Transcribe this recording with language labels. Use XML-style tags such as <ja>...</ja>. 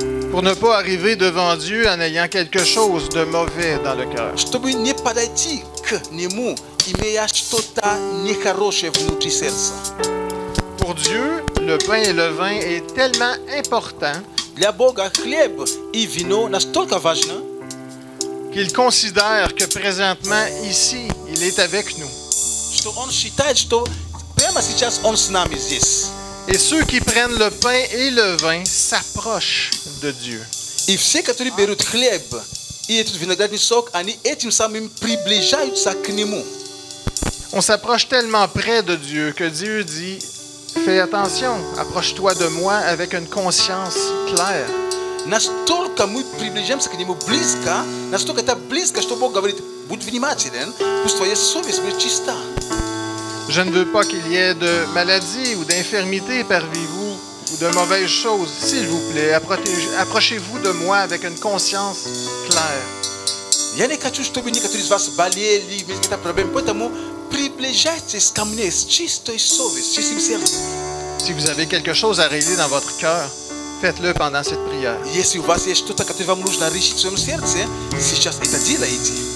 <fr>Pour ne pas arriver devant Dieu en ayant quelque chose de mauvais dans le cœur.</fr> <ru>Чтобы не подойти к нему, имея что-то нехорошее внутри сердца.</ru> <fr>Pour Dieu, le pain et le vin est tellement important.</fr> <ru>Для Бога хлеб и вино настолько важны,</ru> <fr>qu'il considère que présentement ici, il est avec nous.</fr> <ru>Что он считает, что прямо сейчас он с нами здесь.</ru> <fr>Et ceux qui prennent le pain et le vin s'approchent de Dieu.</fr> <ru>И все, которые берут хлеб и этот виноградный сок, они этим самым приближаются к нему.</ru> <fr>On s'approche tellement près de Dieu que Dieu dit, fais attention, approche-toi de moi avec une conscience claire.</fr> <ru>Настолько мы приближаемся к нему близко, настолько это близко, что Бог говорит, будь внимателен, пусть твоя совесть будет чиста.</ru> <fr>Je ne veux pas qu'il y ait de maladie ou d'infirmité parmi vous ou de mauvaises choses. S'il vous plaît, approchez-vous de moi avec une conscience claire.</fr> <ru>Я не хочу, чтобы никто из вас болел или имел какие-то проблемы, поэтому приближайтесь ко мне с чистой совестью, чистым сердцем.</ru> <fr>Si vous avez quelque chose à régler dans votre cœur, faites-le pendant cette prière.</fr> <ru>Если у вас есть что-то, которое вам нужно решить в своем сердце, сейчас это делайте.</ru>